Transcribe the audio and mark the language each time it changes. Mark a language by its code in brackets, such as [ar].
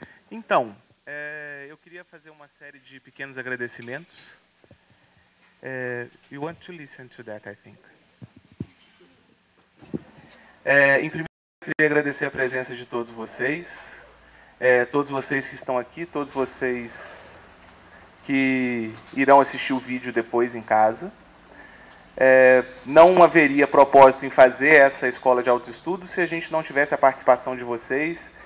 [pt] Então, eu queria fazer uma série de pequenos agradecimentos. [en] You want to listen to that, I think. [pt] Em primeiro lugar, eu queria agradecer a presença de todos vocês, todos vocês que estão aqui, todos vocês que irão assistir o vídeo depois em casa. Não haveria propósito em fazer essa escola de autoestudo se a gente não tivesse a participação de vocês.